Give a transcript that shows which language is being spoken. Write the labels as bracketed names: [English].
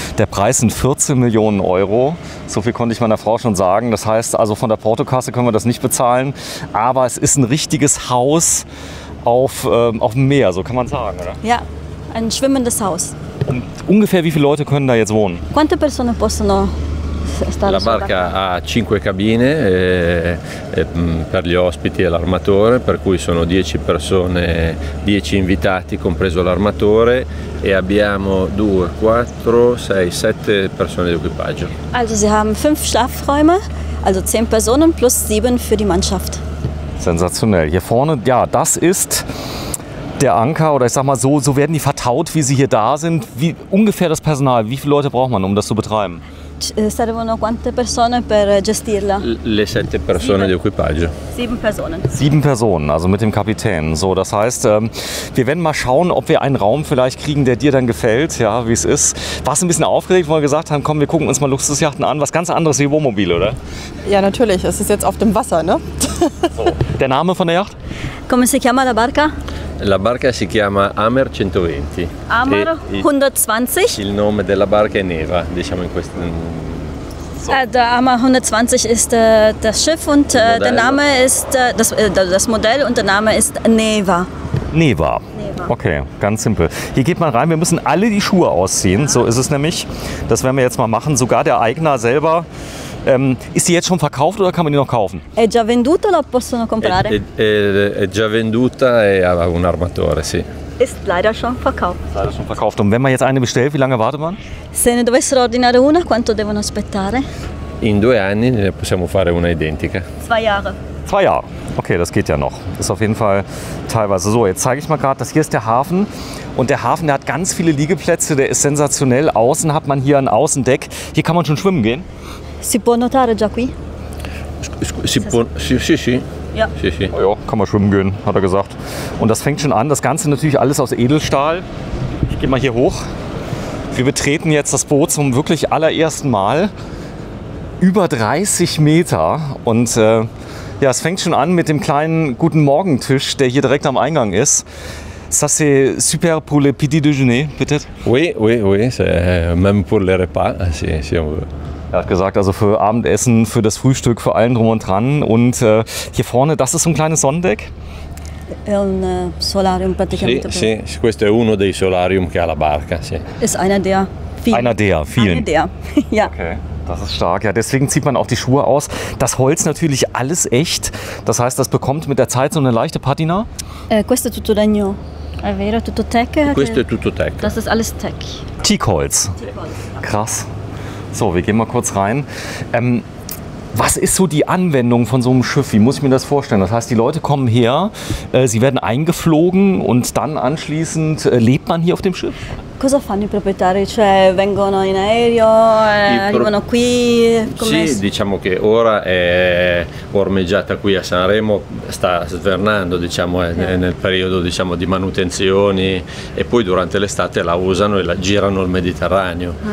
[German] Der Preis sind 14 Millionen Euro. So viel konnte ich meiner Frau schon sagen. Das heißt, also von der Portokasse können wir das nicht bezahlen. Aber es ist ein richtiges Haus auf dem Meer, so kann man sagen, oder? Ja, ein schwimmendes Haus. Und ungefähr wie viele Leute können da jetzt wohnen? [Italian] Quante persone possono stare? La barca ha 5 cabine per gli ospiti e l'armatore, per cui sono 10 persone, 10 invitati, compreso l'armatore, e abbiamo 2, 4, 6, 7 persone di equipaggio. [German] Also sie haben 5 Schlafräume, also 10 Personen plus 7 für die Mannschaft. Sensationell. Hier vorne, ja, das ist der Anker, oder ich sag mal, so werden die vertaut, wie sie hier da sind. Wie ungefähr das Personal, wie viele Leute braucht man, um das zu betreiben? [Italian] Servono quante persone per gestirla? Le 7 persone di equipaggio. [German] 7 Personen. 7 Personen, also mit dem Kapitän. So, das heißt, wir werden mal schauen, ob wir einen Raum vielleicht kriegen, der dir dann gefällt, ja, wie es ist. Warst du ein bisschen aufgeregt, weil wir gesagt haben, komm, wir gucken uns mal Luxusjachten an. Was ganz anderes wie Wohnmobil, oder? Ja, natürlich. Es ist jetzt auf dem Wasser, ne? So. Der Name von der Yacht? [Italian] Come si chiama la barca? La barca si chiama Amer 120. Amer 120? Il nome della barca è Neva, diciamo in questo. [German] So. Der Amer 120 ist das Schiff und der Name ist das Modell und der Name ist Neva. Neva. Okay, ganz simpel. Hier geht man rein, wir müssen alle die Schuhe ausziehen, ja. So ist es nämlich. Das werden wir jetzt mal machen, sogar der Eigner selber. Ist die jetzt schon verkauft oder kann man die noch kaufen? [Italian] È già venduta o possono comprare? È già venduta e ha un armatore, sì. [German] Ist leider schon verkauft. Leider schon verkauft. Und wenn man jetzt eine bestellt, wie lange wartet man? [Italian] Se ne dovessero ordinare una, quanto devono aspettare? In 2 anni possiamo fare una identica. [German] 2 Jahre. 2 Jahre. Okay, das geht ja noch. Ist auf jeden Fall teilweise so. Jetzt zeige ich mal gerade, das hier ist der Hafen. Und der Hafen, der hat ganz viele Liegeplätze, der ist sensationell. Außen hat man hier ein Außendeck. Hier kann man schon schwimmen gehen. [Italian] Si può notare già qui? Si può, sì, sì, sì. [German] Ja. [Italian] Sì, sì. [German] Ja, kann man schwimmen gehen, hat er gesagt. Und das fängt schon an, das Ganze natürlich alles aus Edelstahl. Ich gehe mal hier hoch. Wir betreten jetzt das Boot zum wirklich allerersten Mal. Über 30 Meter. Und ja, es fängt schon an mit dem kleinen guten Morgentisch, der hier direkt am Eingang ist. [French] Ça c'est super pour le petit déjeuner, peut-être? Oui, oui, oui, c'est même pour le repas, si, si on veut. [German] Er hat gesagt, also für Abendessen, für das Frühstück, für allen drum und dran. Und hier vorne, das ist so ein kleines Sonnendeck. [Italian] Un solarium praticamente. Sì, questo è uno dei solarium che ha la barca. [German] Ist einer der vielen. Einer der vielen. Einer der. Ja. Okay. Das ist stark. Ja, deswegen zieht man auch die Schuhe aus. Das Holz natürlich alles echt. Das heißt, das bekommt mit der Zeit so eine leichte Patina. [Italian] Questo è tutto legno. È vero, tutto teck. Questo è tutto teck. [German] Das ist alles teck. Teakholz. Krass. So, wir gehen mal kurz rein. Was ist so die Anwendung von so einem Schiff? Wie muss ich mir das vorstellen? Das heißt, die Leute kommen her, sie werden eingeflogen und dann anschließend lebt man hier auf dem Schiff? [Italian] Cosa fanno i proprietari? Cioè, vengono in aereo, arrivano qui? Sì, diciamo che ora è ormeggiata qui a Sanremo, sta svernando, diciamo, nel periodo, diciamo, di manutenzioni e poi durante l'estate la usano e la girano il Mediterraneo.